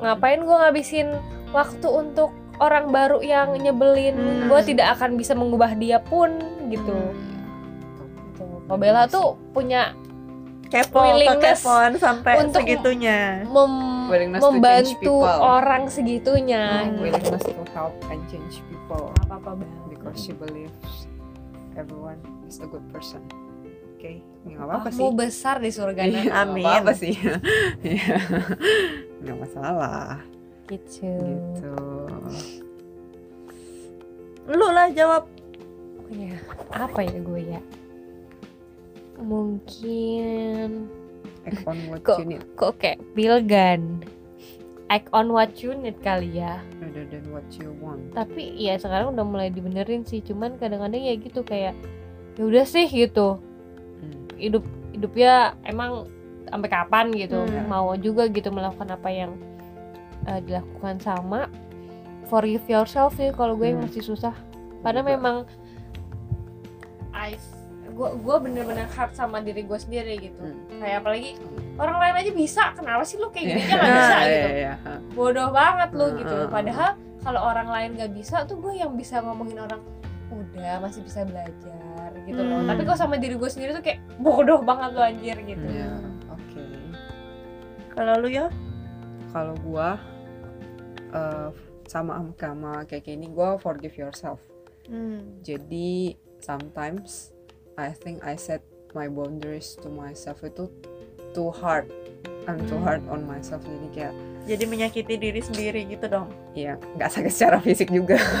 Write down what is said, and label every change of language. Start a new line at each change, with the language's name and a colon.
Indonesian: Ngapain gue ngabisin waktu untuk orang baru yang nyebelin? Gue tidak akan bisa mengubah dia pun gitu. Kalau Bella tuh punya willingness sampai untuk segitunya membantu orang segitunya.
English: Willingness to help and change people.
Indonesian: Apa-apa Bella?
English: Because she believes everyone is a good person.
Indonesian: Oke, nggak apa-apa sih. Mau besar di surga nanti. Amin. Nggak apa-apa sih. Nggak masalah. Gitu. Gitu. Lu lah jawab. Oh ya, apa ya gue ya? Mungkin.
English: Act on what you need.
Indonesian: Kok kayak pilgan.
English: Act on what you need
Indonesian: kali ya.
English: Rather than what you want.
Indonesian: Tapi ya sekarang udah mulai dibenerin sih. Cuman kadang-kadang ya gitu kayak, ya udah sih gitu. Hidupnya emang sampai kapan gitu. Mau juga gitu melakukan apa yang dilakukan sama
English: forgive yourself
Indonesian: sih kalau gue yang masih susah. Karena memang gue bener-bener hard sama diri gue sendiri gitu. Kayak apalagi orang lain aja bisa, kenapa sih lu kayak gini aja gak bisa gitu. Bodoh banget lu gitu. Padahal kalau orang lain gak bisa tuh gue yang bisa ngomongin orang udah masih bisa belajar gitu loh. Tapi kalau sama diri gue sendiri tuh kayak bodoh banget lo anjir gitu. Iya, oke. Kalau lu ya? Kalau gue sama kayak gini, gue
English: forgive yourself.
Indonesian: Jadi
English: sometimes I think I set my boundaries to myself itu too hard. I'm too hard on myself.
Indonesian: Jadi kayak jadi menyakiti diri sendiri gitu dong. Iya, enggak sakit secara fisik juga.